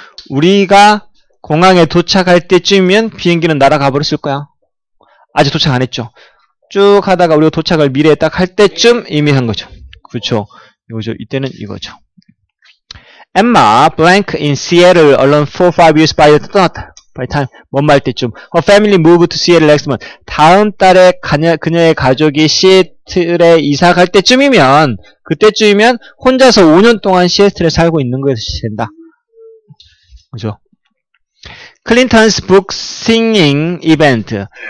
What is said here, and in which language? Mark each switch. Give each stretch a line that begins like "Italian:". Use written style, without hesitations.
Korean: 우리가 공항에 도착할 때쯤이면 비행기는 날아가 버렸을 거야. 아직 도착 안 했죠. 쭉 하다가 우리가 도착을 미래에 딱 할 때쯤 이미 한 거죠. 그렇죠. 이거죠. 이때는 이거죠.
English: Emma blank in Seattle alone for 5 years by the time. By time.
Korean: 뭔 말 때쯤.
English: Her family moved to Seattle next month.
Korean: 다음 달에 그녀의 가족이 시애틀에 이사 갈 때쯤이면, 그때쯤이면 혼자서 5년 동안 시애틀에 살고 있는 것이 된다. 그렇죠.
English: Clinton's book singing event.